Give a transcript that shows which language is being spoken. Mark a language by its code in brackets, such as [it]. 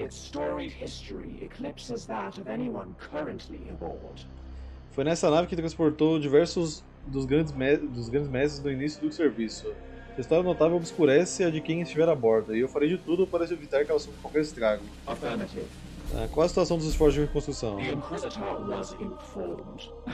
[en] Its storied history eclipses that of anyone currently aboard. [pt] Foi nessa nave que transportou diversos dos grandes mestres do início do serviço. A história notável obscurece a de quem estiver a bordo, e eu farei de tudo para evitar que ela sofra qualquer estrago. [en] Affirmative. [pt] Qual a situação dos esforços de reconstrução? [en] The Inquisitor was informed.